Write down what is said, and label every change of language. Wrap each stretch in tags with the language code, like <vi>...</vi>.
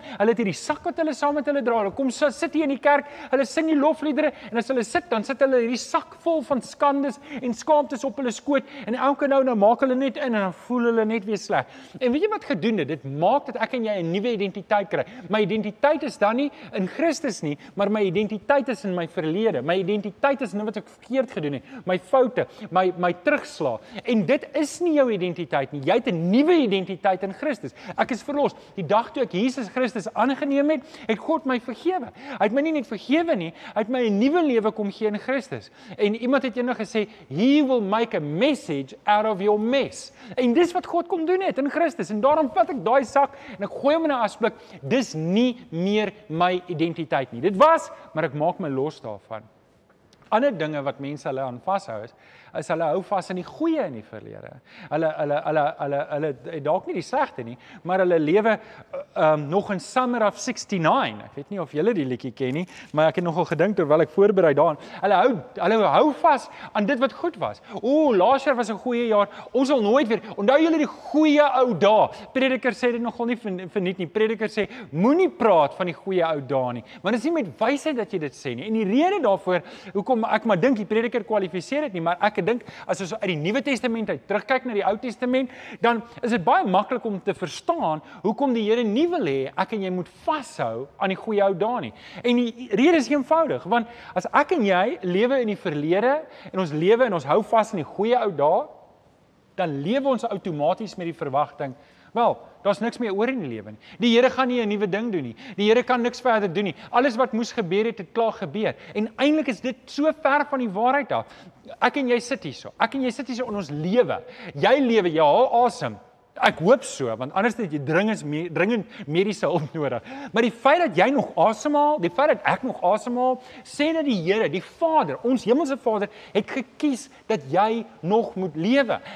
<af>Hulle het hierdie sak wat hulle saam met hulle dra. Hulle kom so sit hier in die kerk, hulle sing die lofliedere en as hulle sit, dan sit hulle hierdie sak vol van skandes en skaamtes op hulle skoot en elke nou maak hulle net in en dan voel hulle net weer sleg. En weet jy wat gedoen het? Dit maak dat ek en jy 'n nuwe identiteit kry. My identiteit is dan nie in Christus nie, maar my identiteit is in my verlede. My identiteit is in wat ek verkeerd gedoen het. My foute, my terugslag. En dit is nie jou identiteit nie. Jy het 'n nuwe identiteit in Christus. Ek is verlos. Die dag toe ek Jesus Christus aangeneem het, het God my vergewe. Hy het my nie net vergewe nie, hy het my 'n nuwe lewe kom gee in Christus. En iemand het eendag gesê,</af> <en>"He will make a message out of your mess."</en> <af>En dis wat God kom doen het in Christus. En daarom vat ek daai sak en ek gooi hom in 'n asblik. Dis nie meer my identiteit nie. Dit was, maar ek maak my los daarvan. Ander dinge wat mense hulle aan vashou is hulle hou vas aan die goeie in die verlede. Hulle dalk nie die slegte nie, maar hulle lewe nog in Summer of 69. Ek weet nie of julle die liedjie ken nie, maar ek het nogal gedink terwyl ek voorberei daaraan. Hulle hou vas aan dit wat goed was. Ooh, laas jaar was 'n goeie jaar. Ons sal nooit weer. Onthou julle die goeie ou dae. Prediker sê dit nogal nie verniet nie. Prediker sê moenie praat van die goeie ou dae nie, want dit is nie met wysheid dat jy dit sê nie. En die rede daarvoor hoekom ek maar dink die prediker kwalifiseer dit nie, maar ek dink, as ons uit die Nuwe Testament uit terugkyk na die Ou Testament, dan is dit baie maklik om te verstaan hoekom die Here nie wil hê ek en jy moet vashou aan die goeie ou dae nie. En die rede is eenvoudig, want as ek en jy lewe in die verlede en ons lewe en ons hou vas aan die goeie ou dae, dan lewe ons outomaties met die verwagting, wel, daar is niks meer oor in die lewe nie. Die Here gaan nie 'n nuwe ding doen nie. Die Here kan niks verder doen nie. Alles wat moes gebeur het, het klaar gebeur. En eintlik is dit so ver van die waarheid af. Ek en jy sit hier so. Ek en jy sit hier so in ons lewe. Jy lewe, jy haal asem. Ek hoop so, want anders het jy dringend mediese hulp nodig. Maar die feit dat jy nog asemhaal, die feit dat ek nog asemhaal, sê dat die Here, die Vader, ons hemelse Vader, het gekies dat jy nog moet lewe.</af>